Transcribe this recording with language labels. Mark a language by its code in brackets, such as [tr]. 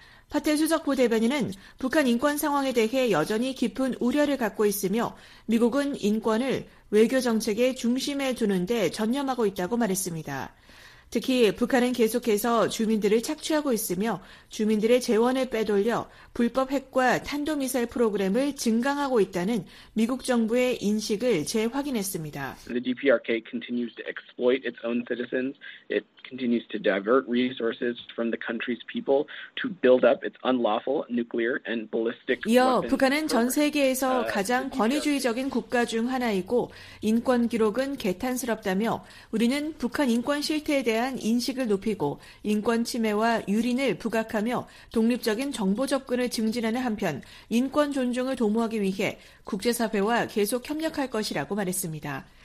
[ko] 파테 수석 부대변인은 북한 인권 상황에 대해 여전히 깊은 우려를 갖고 있으며 미국은 인권을 외교 정책의 중심에 두는 데 전념하고 있다고 말했습니다. 특히 북한은 계속해서 주민들을 착취하고 있으며 주민들의 재원을 빼돌려 불법 핵과 탄도미사일 프로그램을 증강하고 있다는 미국 정부의 인식을 재확인했습니다. [en] The DPRK continues to exploit its own citizens. It continues to divert resources from the country's people to build up its unlawful nuclear and ballistic weapons. [ko] 이어 북한은 전 세계에서 가장 권위주의적인 국가 중 하나이고 인권 기록은 개탄스럽다며 우리는 북한 인권 실태에 대한 인식을 높이고 인권 침해와 유린을 부각하며 독립적인 정보 접근을 증진하는 한편 인권 존중을 도모하기 위해 국제사회와 계속 협력할 것이라고 말했습니다.